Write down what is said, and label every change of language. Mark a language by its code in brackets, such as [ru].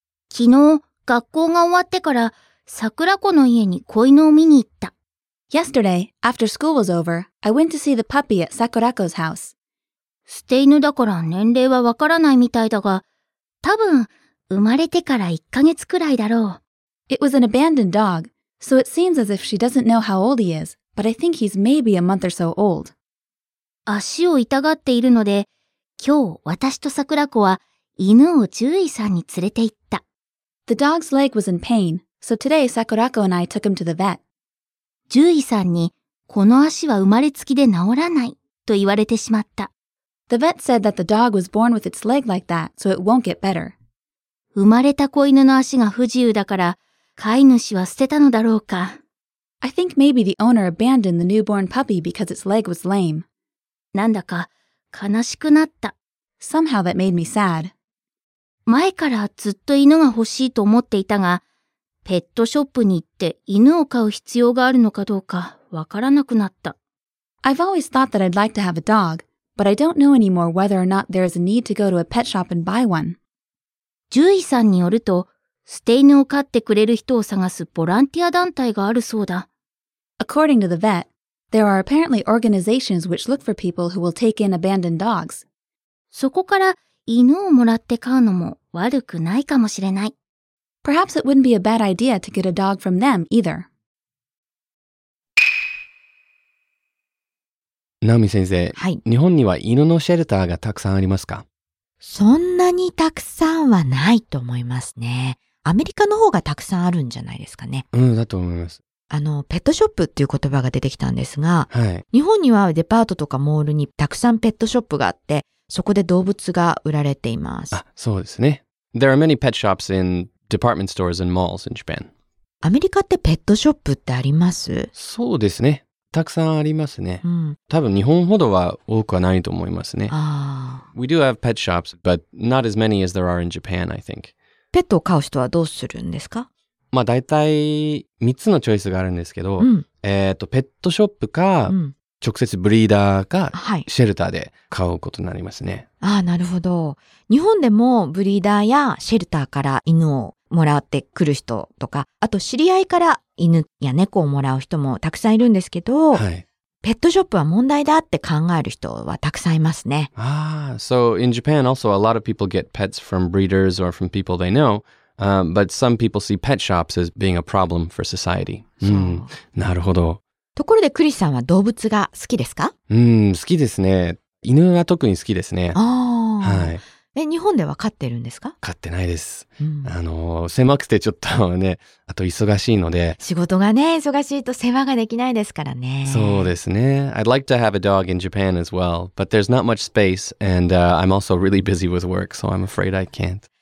[ja] 昨日、学校が終わってから、桜子の家に子犬を見に行った。 [en] Yesterday, after school was over, I went to see the puppy at Sakurako's house. [ja] 捨て犬だから年齢はわからないみたいだが、多分、生まれてから1ヶ月くらいだろう。 [en] It was an abandoned dog, so it seems as if she doesn't know how old he is, but I think he's maybe a month or so old. [ja] 足を痛がっているので、今日、私と桜子は犬を獣医さんに連れて行った。 [en] The dog's leg was in pain, so today Sakurako and I took him to the vet. [ja] 獣医さんに、この足は生まれつきで治らないと言われてしまった。 [en] The vet said that the dog was born with its leg like that, so it won't get better. [ja] 生まれた子犬の足が不自由だから、飼い主は捨てたのだろうか。 [en] I think maybe the owner abandoned the newborn puppy because its leg was lame. [ja] なんだか、悲しくなった。 [en] Somehow that made me sad. [ja] 前からずっと犬が欲しいと思っていたが、ペットショップに行って犬を飼う必要があるのかどうかわからなくなった。 [en] I've always thought that I'd like to have a dog, but I don't know anymore whether or not there is a need to go to a pet shop and buy one. [ja] 獣医さんによると、捨て犬を飼ってくれる人を探すボランティア団体があるそうだ。 [en] According to the vet,There are apparently organizations which look for people who will take in abandoned dogs. [ja] そこから犬をもらって飼うのも悪くないかもしれない。 [en] Perhaps it wouldn't be a bad idea to get a dog from them either. [ja] ナオミ先生、はい、日本には犬のシェルターがたくさんありますか？そんなにたくさんはないと思いますね。アメリカの方がたくさんあるんじゃないですかね。うん、だと思います。ペットショップっていう言葉が出てきたんですが、はい、日本にはデパートとかモールにたくさんペットショップがあって、そこで動物が売られています。あ、そうですね。 [en] There are many pet shops in department stores and malls in Japan. [ja] アメリカってペットショップってあります？そうですね。たくさんありますね。うん、多分日本ほどは多くはないと思いますね。あ。 [en] We do have pet shops, but not as many as there are in Japan, I think. [ja] ペットを飼う人はどうするんですか？まあ、大体3つのチョイスがあるんですけど、うん、ペットショップか、うん、直接ブリーダーか、はい、シェルターで飼うことになりますね。ああ、なるほど。日本でもブリーダーやシェルターから犬をもらってくる人とか、あと知り合いから犬や猫をもらう人もたくさんいるんですけど、はい、ペットショップは問題だって考える人はたくさんいますね。 [en] ああ、So in Japan also a lot of people get pets from breeders or from people they know. But some people see pet shops as being a problem for society. [ja] なるほど。ところでクリスさんは動物が好きですか？好きですね。犬が特に好きですね。ああ。はい。日本では飼ってるんですか？飼ってないです。狭くてちょっとね、あと忙しいので。仕事がね、忙しいと世話ができないですからね。そうですね。 [en] I'd like to have a dog in Japan as well, but there's not much space, and I'm also really busy with work, so I'm afraid I can't.